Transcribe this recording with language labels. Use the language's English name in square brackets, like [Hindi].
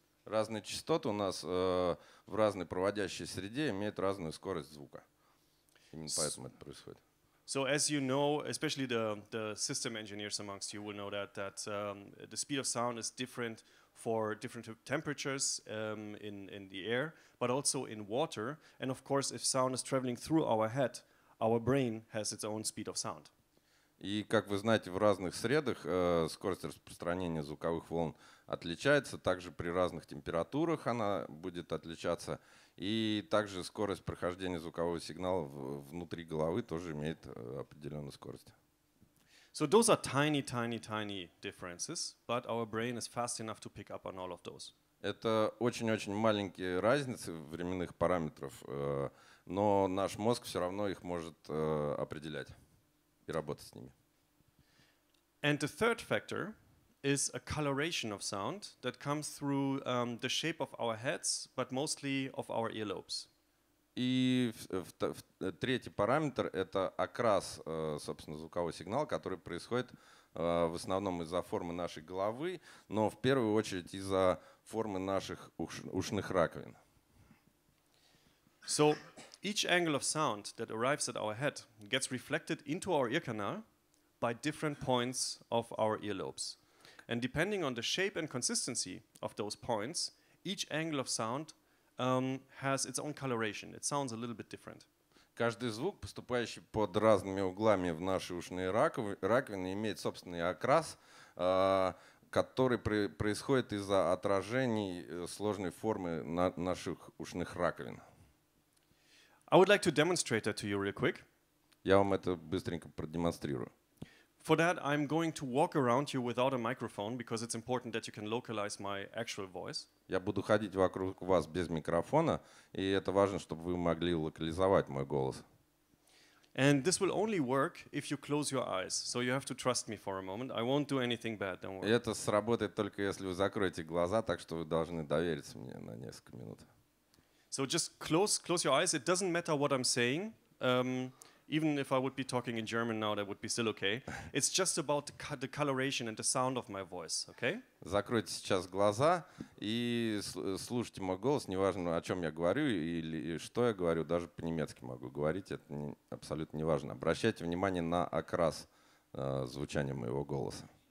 [Russian] Разные частоты у нас в разной проводящей среде имеют разную скорость звука. Именно поэтому это происходит. [English] So as you know, especially the system engineers amongst you will know that the speed of sound is different for different temperatures in the air, but also in water. And of course, if sound is traveling through our head, our brain has its own speed of sound. [Russian] И как вы знаете, в разных средах скорость распространения звуковых волн отличается. Также при разных температурах она будет отличаться. И также скорость прохождения звукового сигнала внутри головы тоже имеет определенную скорость. [English] So those are tiny, tiny, tiny differences, but our brain is fast enough to pick up on all of those. [Russian] Это очень-очень маленькие разницы временных параметров, но наш мозг все равно их может определять и работать с ними. [English] And the third factor is a coloration of sound that comes through the shape of our heads, but mostly of our earlobes. [Russian] И третий параметр — это окрас, собственно, звукового сигнала, который происходит в основном из-за формы нашей головы, но в первую очередь из-за формы наших ушных раковин. [English] So each angle of sound that arrives at our head gets reflected into our ear canal by different points of our earlobes. And depending on the shape and consistency of those points, each angle of sound has its own coloration. It sounds a little bit different. [Russian] Каждый звук, поступающий под разными углами в наши ушные раковины, имеет собственный окрас, который происходит из-за отражений сложной формы наших ушных раковин. [English] I would like to demonstrate that to you real quick. [Russian] Я вам это быстренько продемонстрирую. [English] For that, I'm going to walk around you without a microphone because it's important that you can localize my actual voice. [Russian] Я буду ходить вокруг вас без микрофона, и это важно, чтобы вы могли локализовать мой голос. [English] And this will only work if you close your eyes. So you have to trust me for a moment. I won't do anything bad, don't worry. [Russian] Это сработает только если вы закроете глаза, так что вы должны довериться мне на несколько минут. [English] So just close your eyes. It doesn't matter what I'm saying. Even if I would be talking in German now, that would be still okay. It's just about the coloration and the sound of my voice, okay? [Russian] Закройте сейчас глаза и слушайте мой голос, неважно, о чем я говорю или что я говорю, даже по-немецки могу говорить, это абсолютно неважно. Обращайте внимание на окрас звучания моего голоса.